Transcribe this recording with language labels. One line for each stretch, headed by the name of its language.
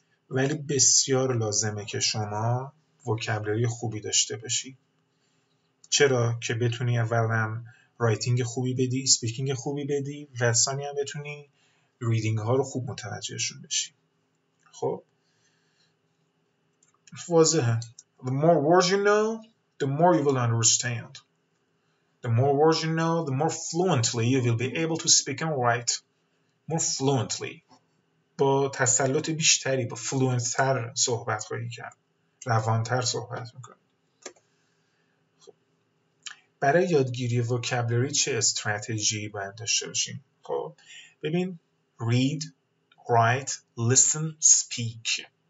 Persian: ولی بسیار لازمه که شما وکبلری خوبی داشته باشی. چرا؟ که بتونی اولم رایتینگ خوبی بدی، سپیکینگ خوبی بدی و ثانی هم بتونی ریدینگ ها رو خوب متوجهشون بشی. خب واضحه.
English: The more words you know, the more you will understand. The more words you know, the more fluently you will be able to speak and write. More fluently.
Persian: با تسلط بیشتری، با fluent‌تر صحبت خواهی کرد. روان‌تر صحبت میکن. برای یادگیری وکبلری چه استراتژی باید داشته باشیم؟ خب ببین،
English: read, write, listen, speak.